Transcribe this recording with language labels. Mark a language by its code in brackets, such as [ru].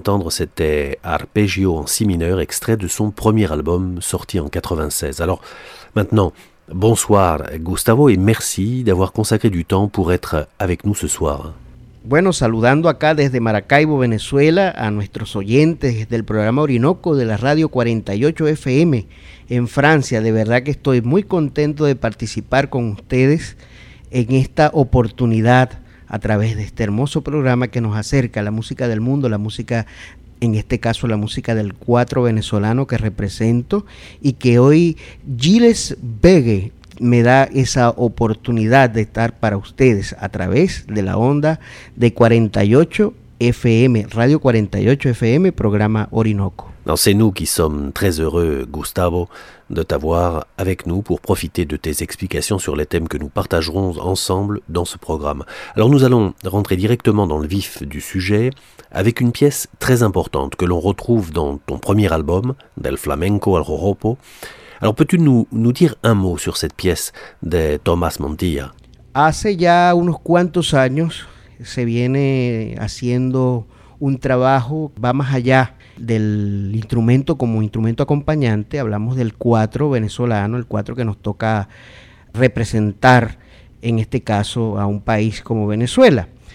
[fr] C'était Arpeggio en si mineur, extrait de son premier album sorti en 96. Alors maintenant, bonsoir Gustavo et merci d'avoir consacré du temps pour être avec nous ce soir. [es] Bueno, saludando acá desde Maracaibo, Venezuela, a nuestros oyentes del programa Orinoco de la radio 48 FM en Francia. De verdad que estoy muy contento de participar con ustedes en esta oportunidad a través de este hermoso programa que nos acerca a la música del mundo, la música, en este caso la música del cuatro venezolano que represento, y que hoy Gilles Vegue me da esa oportunidad de estar para ustedes a través de la onda de 48 FM, Radio 48 FM, programa Orinoco. [fr] Non, c'est nous qui sommes très heureux, Gustavo, de t'avoir avec nous pour profiter de tes explications sur les thèmes que nous partagerons ensemble dans ce programme. Alors nous allons rentrer directement dans le vif du sujet avec une pièce très importante que l'on retrouve dans ton premier album, Del Flamenco al Joropo. Alors peux-tu nous dire un mot sur cette pièce de Tomás Montilla? [es] Hace ya unos cuantos años se viene haciendo un trabajo, va más allá del instrumento como instrumento acompañante, hablamos del cuatro venezolano, el cuatro que nos toca representar en este caso a un país como Venezuela.